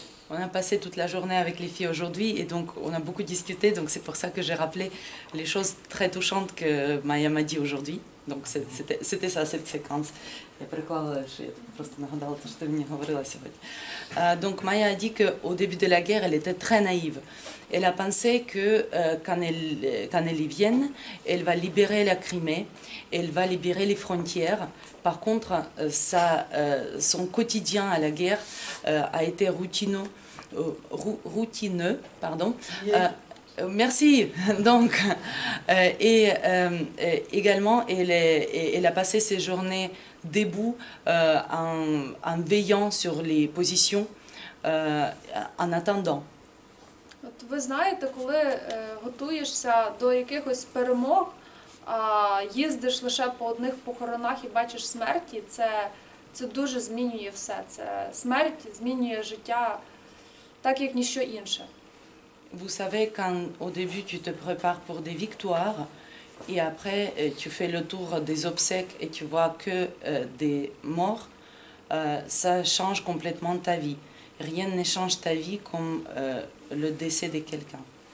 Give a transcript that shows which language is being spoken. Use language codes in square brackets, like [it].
[fr] On a passé toute la journée avec les filles aujourd'hui et donc on a beaucoup discuté, donc c'est pour ça que j'ai rappelé les choses très touchantes que Maya m'a dit aujourd'hui. Donc c'était ça, cette séquence. [uk] Я прикладала, що я просто нагадала те, що ти мені говорила сьогодні. [fr] Donc Maya a dit qu'au début de la guerre, elle était très naïve. Elle a pensé que quand elle y vienne, elle va libérer la Crimée, elle va libérer les frontières. Par contre, son quotidien à la guerre a été routineux. Pardon. Merci. Donc, également, elle a passé ses journées debout en veillant sur les positions en attendant. [uk] От ви знаєте, коли готуєшся до якихось перемог, а їздиш лише по одних похоронах і бачиш смерті, це дуже змінює все. Це смерть змінює життя так, як ніщо інше. [fr] Vous savez, quand au début tu te prépares pour des victoires, et après tu fais le tour des obsèques et tu vois que des morts, ça change complètement ta vie. Rien ne change ta vie comme le décès de quelqu'un.